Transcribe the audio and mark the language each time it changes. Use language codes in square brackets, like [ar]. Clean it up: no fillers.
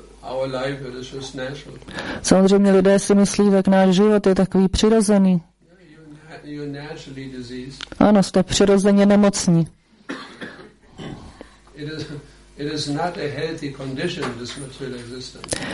[en] Our life is just natural. [cs] Samozřejmě lidé si myslí, jak náš život je takový přirozený. [en] You're naturally diseased. [cs] Ano, jste přirozeně nemocní. [en] It is not a healthy condition, this material existence.